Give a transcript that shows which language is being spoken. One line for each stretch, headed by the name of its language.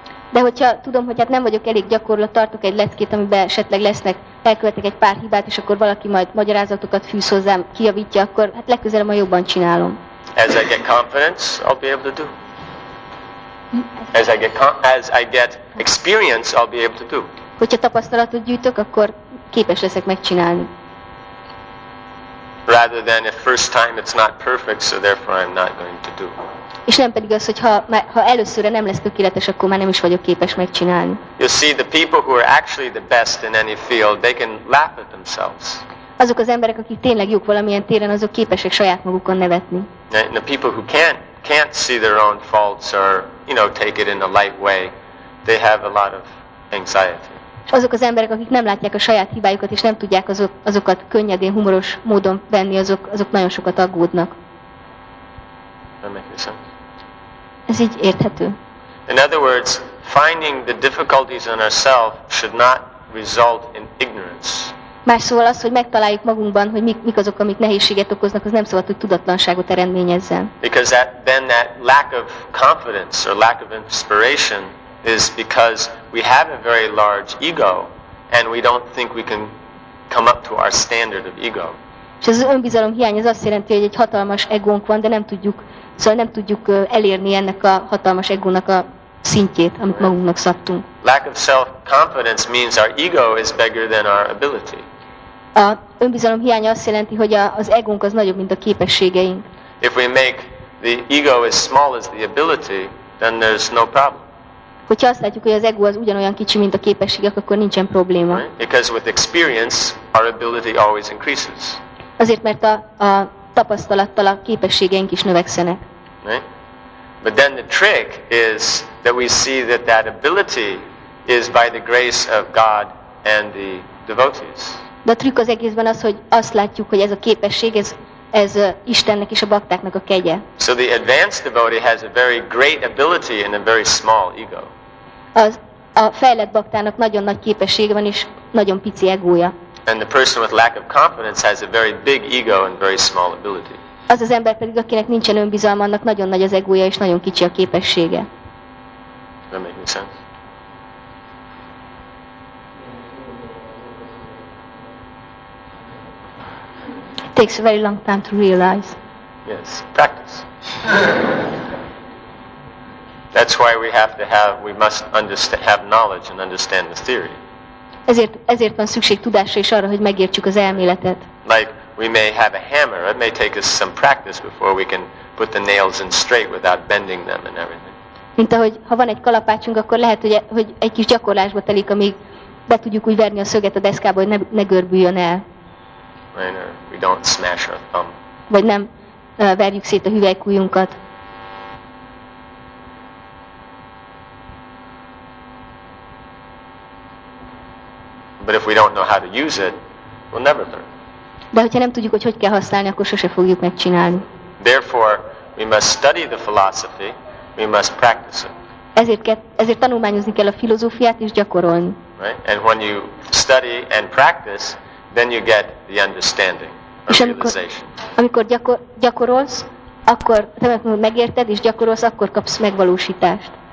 Hungarian: De hogyha tudom, hogy hát nem vagyok elég gyakorlat, tartok egy leckét, amiben esetleg lesznek, elkövetek egy pár hibát, és akkor valaki majd magyarázatokat fűz hozzám, kijavítja, akkor hát legközelebb majd jobban csinálom.
English: As I get confidence, I'll be able to do. As I get experience, I'll be able to do.
Hungarian: Hogyha tapasztalatot gyűjtök, akkor képes leszek megcsinálni.
English: Rather than if first time it's not perfect, so therefore I'm not going to do.
Hungarian: És nem pedig az, hogy ha előszörre nem lesz tökéletes, akkor már nem is vagyok képes megcsinálni.
English: You see, the people who are actually the best in any field, they can laugh at themselves.
Hungarian: Azok az emberek, akik tényleg jók valamilyen téren, azok képesek saját magukon nevetni.
English: And the people who can't can't see their own faults or, you know, take it in a light way, they have a lot of anxiety.
Hungarian: És azok az emberek, akik nem látják a saját hibájukat és nem tudják azokat könnyedén, humoros módon venni, azok nagyon sokat aggódnak.
English: That makes sense.
Hungarian: Ez így érthető.
English: In other words, finding the difficulties in ourselves should not result in ignorance.
Hungarian: Más szóval az, hogy megtaláljuk magunkban, hogy mik azok, amik nehézséget okoznak, az nem szabad, hogy tudatlanságot eredményezzen.
English: Because that, then that lack of confidence or lack of inspiration is because we have a very large ego and we don't think we can come up to our standard of ego.
Hungarian: És az önbizalom hiány az azt jelenti, hogy egy hatalmas egónk van, de nem tudjuk, szóval nem tudjuk elérni ennek a hatalmas egónak a szintjét, amit magunknak szabtunk.
English: Lack of self-confidence means our ego is bigger than our ability.
Hungarian: A önbizalom hiánya azt jelenti, hogy az egónk az nagyobb, mint a képességeink.
English: If we make the ego as small as the ability, then there's no problem.
Hungarian: Hogyha azt látjuk, hogy az ego az ugyanolyan kicsi, mint a képességek, akkor nincsen probléma.
English: Right? Because with experience, our ability always increases.
Hungarian: Azért, mert a tapasztalattal a képességeink is növekszenek.
English: Right? But then the trick is that we see that that ability is by the grace of God and the devotees.
Hungarian: De a trükk az egészben az, hogy azt látjuk, hogy ez a képesség, ez Istennek és a baktáknak a kegye.
English: So the advanced devotee has a very great ability and a very small ego.
Hungarian: A fejlett baktának nagyon nagy képessége van és nagyon pici egója.
English: And the person with lack of confidence has a very big ego and very small ability.
Hungarian: Az az ember pedig, akinek nincsen önbizalma, annak nagyon nagy az egója és nagyon kicsi a képessége.
English: That makes sense. It takes a very long time to realize. Yes, practice. That's why we have to have, we must understand, have knowledge and understand the theory.
Hungarian: Ezért van szükség tudásra és arra, hogy megértsük az elméletet.
English: Like we may have a hammer, it may take us some practice before we can put the nails in straight without bending them and everything.
Hungarian: Mint ahogy ha van egy kalapácsunk, akkor lehet, hogy egy kis gyakorlásba telik, amíg be tudjuk úgy verni a szöget a deszkába, hogy ne görbüljön el.
English: We don't smash our thumb.
Hungarian: Vagy nem verjük szét a hüvelykujjunkat.
English: But if we don't know how to use it, we'll never learn.
Hungarian: De hogyha nem tudjuk, hogy kell használni, akkor sose fogjuk megcsinálni.
English: Therefore, we must study the philosophy, we must practice it.
Hungarian: Ezért tanulmányozni kell a filozófiát és gyakorolni.
English: Right? And when you study and practice, then you get the understanding or realization.
Hungarian: Amikor gyakorolsz, akkor te megérted és gyakorolsz, akkor kapsz megvalósítást.